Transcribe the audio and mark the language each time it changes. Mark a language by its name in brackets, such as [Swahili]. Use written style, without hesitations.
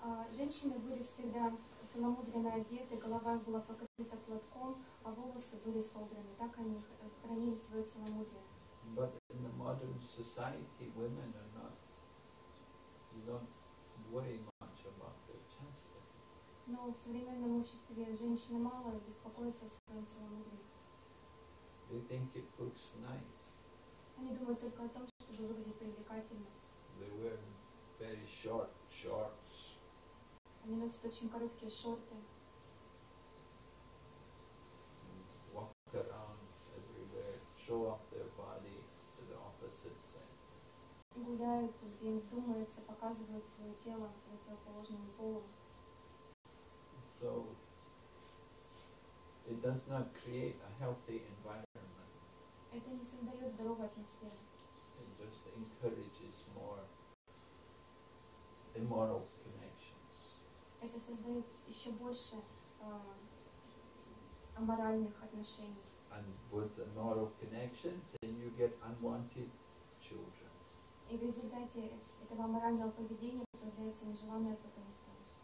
[Russian] Женщины были всегда целомудренно одеты, голова была покрыта платком, а волосы были собраны. Так они хранили свое целомудрие. [English] But in the modern society, women are not, you don't worry much about their chastity. [Russian] Но в современном обществе женщины мало беспокоятся о своем целомудрии. [English] They think it looks nice. [Russian] Они думают только о том, чтобы выглядеть привлекательно. [English] They wear very short shorts. [Russian] Они носят очень короткие шорты. [English] Walk around everywhere, show off their body to the opposite sex. [Russian] Гуляют, где им вздумается, показывают свое тело противоположному полу. [English] So it does not create a healthy environment. [Russian] Это не создает здоровой атмосферы. [English] It just encourages more immoral connections. [Russian] Это создает еще больше аморальных отношений. [English] And with immoral connections, then you get unwanted children. [Russian] И в результате этого аморального поведения появляется нежеланное потомство.